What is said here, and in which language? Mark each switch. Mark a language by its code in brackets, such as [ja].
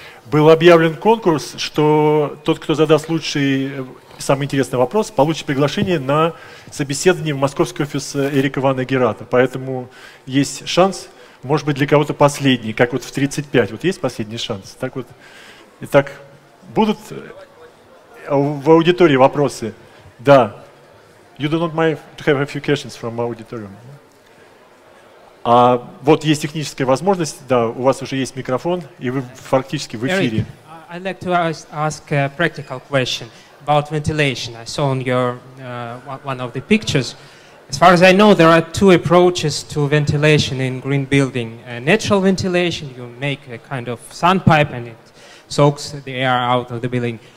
[ru] Был объявлен конкурс, что тот, кто задаст лучший, самый интересный вопрос, получит приглашение на собеседование в московский офис Эрика Ивана Герата. Поэтому есть шанс, может быть, для кого-то последний, как вот в 35. Вот есть последний шанс? Так вот. Итак, будут в аудитории вопросы? Да. [en] You do not mind to have a few questions from auditorium. [ru] А вот есть техническая возможность, да, у вас уже есть микрофон, и вы фактически в эфире. [en] Eric, I'd like to ask a practical question about ventilation. I saw on your one of the pictures. As far as I know, there are two approaches to ventilation in green building. Natural ventilation, you make a kind of sandpipe and it soaks the air out of the building.